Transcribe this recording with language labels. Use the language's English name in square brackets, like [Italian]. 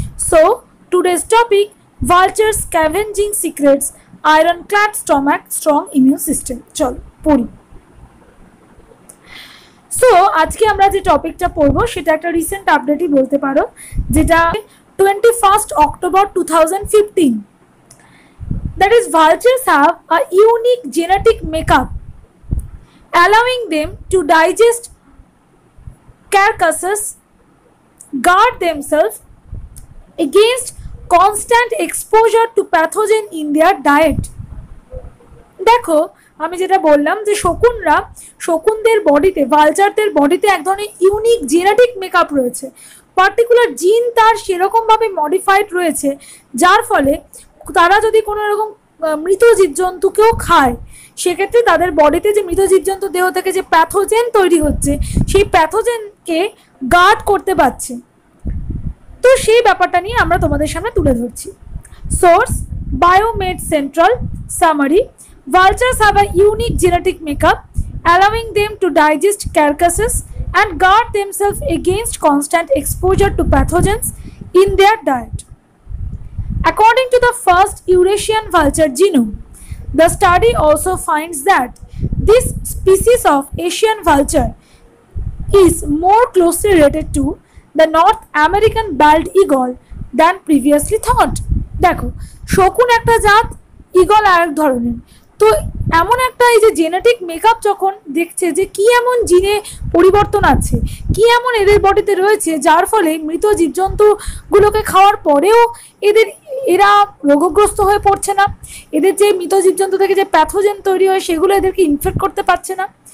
[English] So today's topic, vulture scavenging secrets, iron clad stomach, strong immune system. [Bangla] চলো পড়ি। So আজকে আমরা যে টপিকটা পড়বো সেটা একটা রিসেন্ট আপডেটই বলতে পারো, যেটা 21st October 2015। [English] That is, vultures have a unique genetic makeup allowing them to digest carcasses, guard themselves against constant exposure to pathogen in their diet. [Bangla] দেখো, আমি যেটা বললাম যে শকুনরা, শকুনদের বডিতে, ভালচারদের বডিতে এক ধরনের ইউনিক জেনেটিক মেকআপ রয়েছে। পার্টিকুলার জিন তার সেরকমভাবে মডিফাইড রয়েছে যার ফলে তারা যদি কোনো রকম মৃত জীবজন্তুকেও খায়, সেক্ষেত্রে তাদের বডিতে যে মৃত জীবজন্তু দেহ থেকে যে প্যাথোজেন তৈরি হচ্ছে, সেই প্যাথোজেনকে গার্ড করতে পারছে। তো সেই ব্যাপারটা নিয়ে আমরা তোমাদের সামনে তুলে ধরছি। [English] Source BioMed Central summary, vultures have a unique genetic makeup allowing them to digest carcasses and guard themselves against constant exposure to pathogens in their diet. According to the first Eurasian vulture genome, the study also finds that this species of Asian vulture is more closely related to the North American bald eagle than previously thought. [Bangla] দেখো, শকুন একটা জাত, eagle আরেক ধরনের। তো এমন একটা, এই যে জেনেটিক মেকআপ যখন দেখছে যে কী এমন জিনে পরিবর্তন আছে, কী এমন এদের বডিতে রয়েছে যার ফলে মৃত জীবজন্তুগুলোকে খাওয়ার পরেও এদের, এরা রোগগ্রস্ত হয়ে পড়ছে না, এদের যে মৃত জীবজন্তু থেকে যে প্যাথোজেন তৈরি হয় সেগুলো এদেরকে ইনফেক্ট করতে পারছে না।